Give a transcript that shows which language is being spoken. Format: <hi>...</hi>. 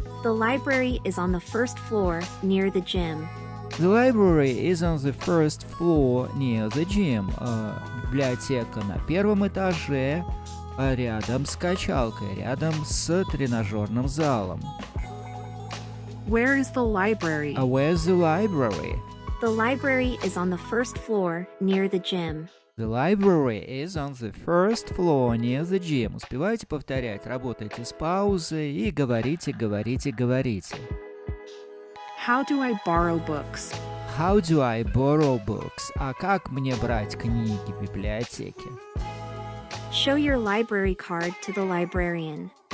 <en>The library is on the first floor near the gym. The library is on the first floor near the gym.</en> <ru>Библиотека на первом этаже, рядом с качалкой, рядом с тренажерным залом.</ru> <en>Where is the library? Where's the library? The library is on the first floor near the gym. The library is on the first floor near the gym.</en> <ru>Успевайте повторять, работайте с паузой и говорите, говорите, говорите.</ru> <en>How do I borrow books? How do I borrow books?</en> <ru>А как мне брать книги в библиотеке?</ru> <en>Show your library card to the librarian.</en>